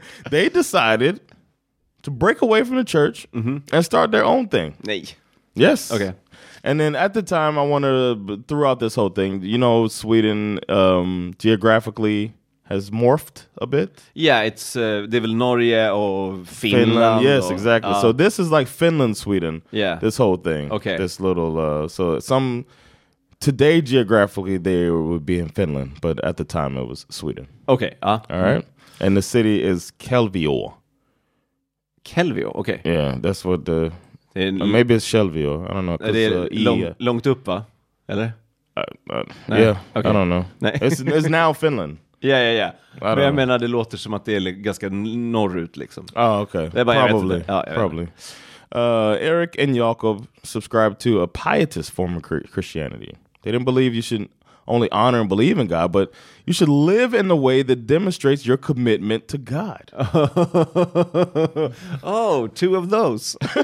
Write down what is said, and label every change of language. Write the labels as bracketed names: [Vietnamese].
[English] They decided to break away from the church, mm-hmm, and start their own thing. [Swedish] Nej. [English] Yes. Okay. And then at the time, I wanted to, throughout this whole thing, you know, Sweden geographically has morphed a bit. Yeah, it's [Swedish] det är väl Norge och Finland. [English] Yes, [Swedish] och, [English] exactly. So this is like Finland, Sweden. Yeah. This whole thing. Okay. This little, so some... Today, geographically, they would be in Finland, but at the time, it was Sweden. Okay. All right. Mm-hmm. And the city is Kelvio. Kelvio, okay. Yeah, that's what the... maybe it's Kelvio. I don't know. [Swedish] Är det långt upp, va? Eller? [English] Yeah, okay. I don't know. it's now Finland. Yeah, yeah, yeah. [Swedish] Men jag menar, det låter som att det är ganska norrut, liksom. [English] Oh, okay. [Swedish] Det är bara, [English] probably. [Swedish] Jag vet inte. Ja, [English] probably. Erik and Jakob subscribed to a pietist form of Christianity. They didn't believe you should only honor and believe in God, but you should live in the way that demonstrates your commitment to God. Oh, two of those.